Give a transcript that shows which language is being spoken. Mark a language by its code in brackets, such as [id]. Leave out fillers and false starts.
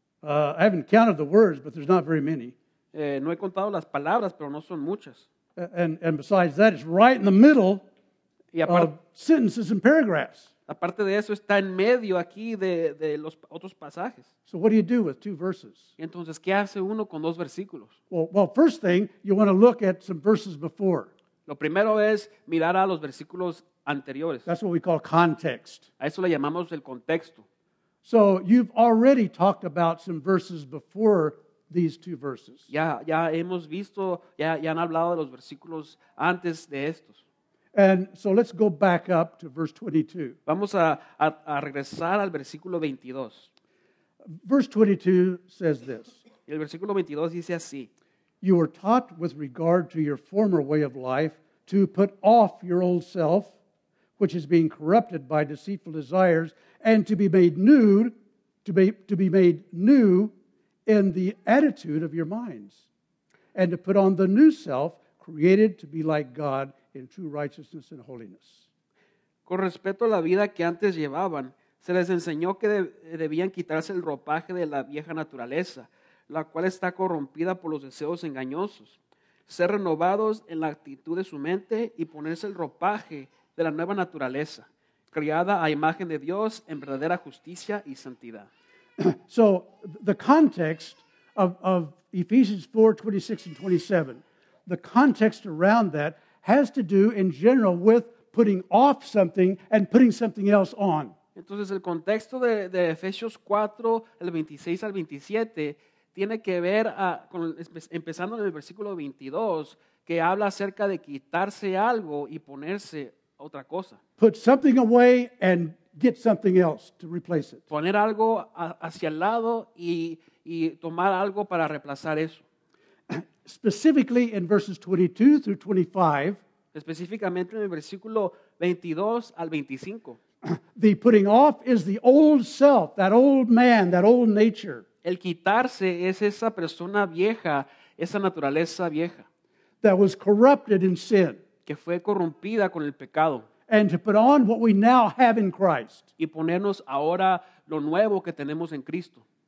[en] I haven't counted the words, but there's not very many. [es] No he contado las palabras, pero no son muchas. [en] And besides that, it's right in the middle of sentences and paragraphs. [es] Aparte de eso, está en medio aquí de los otros pasajes. [en] So what do you do with two verses? [es] Entonces, ¿qué hace uno con dos versículos? [en] Well, first thing, you want to look at some verses before. [es] Lo primero es mirar a los versículos anteriores. [en] That's what we call context. [es] A eso le llamamos el contexto. [en] So you've already talked about some verses before these two verses. [es] Ya hemos visto, ya han hablado de los versículos antes de estos. [en] And so let's go back up to verse 22. [es] Vamos a regresar al versículo 22. [en] Verse 22 says this. [es] El versículo 22 dice así. [en] You were taught with regard to your former way of life to put off your old self, which is being corrupted by deceitful desires, and to be made new, to be made new in the attitude of your minds, and to put on the new self created to be like God in true righteousness and holiness. [es] Con respecto a la vida que antes llevaban, se les enseñó que debían quitarse el ropaje de la vieja naturaleza, la cual está corrompida por los deseos engañosos, ser renovados en la actitud de su mente y ponerse el ropaje de la nueva naturaleza, creada a imagen de Dios en verdadera justicia y santidad. [en] So, the context of Ephesians 4, 26 and 27, the context around that has to do in general with putting off something and putting something else on. [es] Entonces, el contexto de Efesios 4, el 26 al 27, tiene que ver empezando en el versículo 22, que habla acerca de quitarse algo y ponerse otra cosa. [en] Put something away and get something else to replace it. [es] Poner algo hacia el lado y tomar algo para reemplazar eso. [en] Specifically in verses 22 through 25. [es] Específicamente en el versículo 22 al 25. [en] The putting off is the old self, that old man, that old nature. [es] El quitarse es esa persona vieja, esa naturaleza vieja. [en] That was corrupted in sin. [es] Que fue corrompida con el pecado. [en] And to put on what we now have in Christ. [es] Y ponernos ahora lo nuevo que tenemos en Cristo.